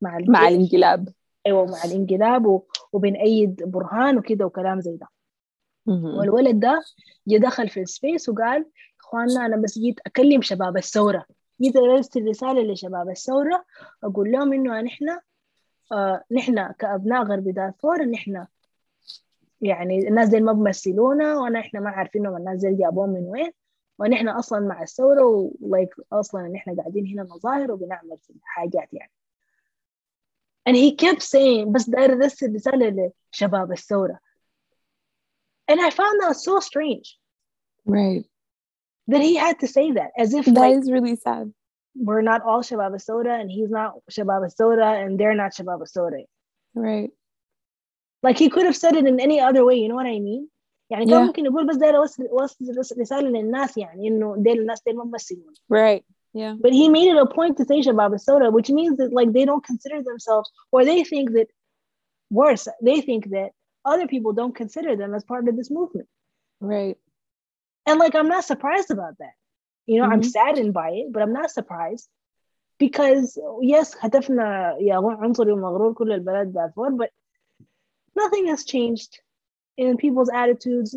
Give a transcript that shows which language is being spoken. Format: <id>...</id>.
<ar>مع الانقلاب أيوة مع الانقلاب وبنأيد برهان وكده وكلام زي ده والولد ده يدخل في السبيس وقال إخواننا أنا بس جيت أكلم شباب الثورة جيت أرسل رسالة لشباب الثورة أقول لهم إنه نحن كأبناء غربي دارفور نحن يعني الناس دي ما بمثلونا وأنا إحنا ما عارفينهم الناس دي جابوهم من وين ونحن أصلاً مع الثورة ولايك أصلاً نحن قاعدين هنا مظاهر وبنعمل في الحاجات يعني.</ar> <en>And he kept saying,</en> <ar>بس داير دس الرسالة لشباب الثورة.</ar> <en>And I found that so strange. Right. That he had to say that as if that like, is really sad. We're not all Shabab al-Sawra and he's not Shabab al-Sawra and they're not Shabab al-Sawra. Right. Like he could have said it in any other way, you know what I mean?</en> <ar>يعني كان ممكن يقول بس ده وصل رسالة للناس يعني إنه ده الناس ده ما مسلمون.</ar> <en>Right. Yeah. But he made it a point to say Shabab al-Sawra, which means that like they don't consider themselves, or they think that worse, they think that other people don't consider them as part of this movement. Right. And like I'm not surprised about that. You know, mm-hmm. I'm saddened by it, but I'm not surprised because yes,</en> <ar>هتفنا يا عنصري ومغرور كل البلد دارفور,</ar> <en>but nothing has changed in people's attitudes.</en>